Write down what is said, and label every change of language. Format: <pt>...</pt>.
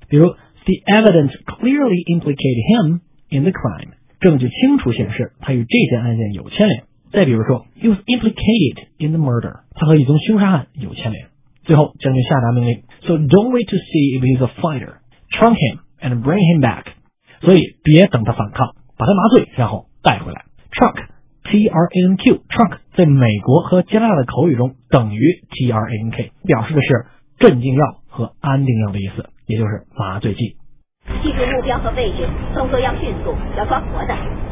<zh>比如</zh> <en>，The evidence clearly implicated him in the crime。</en> <zh>证据清楚显示他与这件案件有牵连。再比如说</zh> <en>，He was implicated in the murder。</en> <zh>他和一宗凶杀案有牵连。最后，将军下达命令</zh> <en>，So don't wait to see if he's a fighter, trunk him and bring him back。</en> <zh>所以别等他反抗，把他麻醉，然后带回来。 Trunk, T-R-A-N-Q, trunk 在美国和加拿大的口语中等于 T-R-A-N-K， 表示的是镇静药和安定药的意思，也就是麻醉剂。记住目标和位置，动作要迅速，要装活的。</zh>